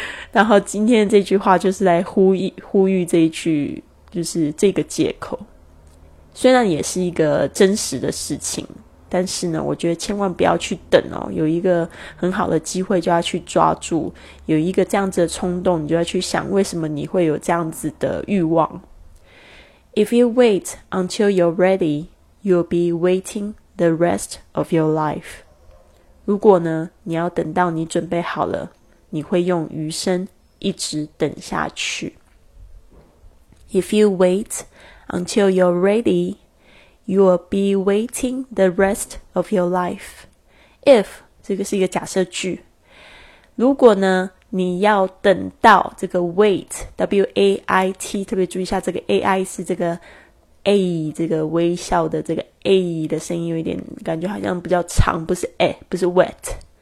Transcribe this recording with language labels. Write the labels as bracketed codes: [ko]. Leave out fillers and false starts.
[zh] 然后今天这句话就是来呼吁这一句，就是这个借口虽然也是一个真实的事情，但是呢我觉得千万不要去等哦，有一个很好的机会就要去抓住，有一个这样子的冲动你就要去想为什么你会有这样子的欲望。 [en] If you wait until you're ready, you'll be waiting the rest of your life. [zh] 如果呢你要等到你准备好了，你会用余生一直等下去。 [en] If you wait until you're readyYou'll be waiting the rest of your life. [zh] If, 这个是一个假设句。如果呢你要等到这个 wait, W-A-I-T, 特别注意一下这个 A-I 是这个 A, 这个微笑的这个 A 的声音，有一点感觉好像比较长，不是 A, 不是 wet。